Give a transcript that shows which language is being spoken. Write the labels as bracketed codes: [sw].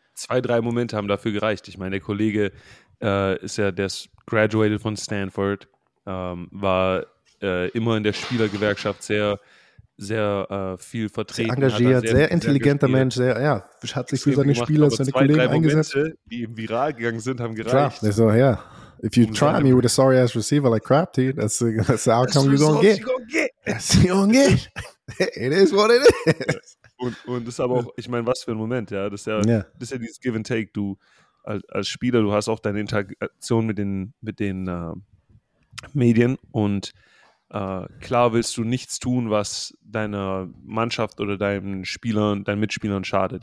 [de] 2-3 Momente haben dafür gereicht. Ich meine, der Kollege ist graduated von Stanford, war immer in der Spielergewerkschaft sehr viel vertreten. Sehr engagiert, sehr intelligenter Mensch, hat sich für seine Spieler, seine Kollegen eingesetzt. Aber 2-3 Momente, die viral gegangen sind, haben gereicht. [en] Klar, so, yeah. If you try me with a sorry-ass receiver like Crabtree, that's the outcome you're going to get. That's what you're going to get. It is what it is. [de] Und das ist aber auch, ich meine, was für ein Moment, ja. Das ist ja dieses Give and Take. Du als Spieler, du hast auch deine Interaktion mit den Medien und klar willst du nichts tun, was deiner Mannschaft oder deinen Mitspielern schadet.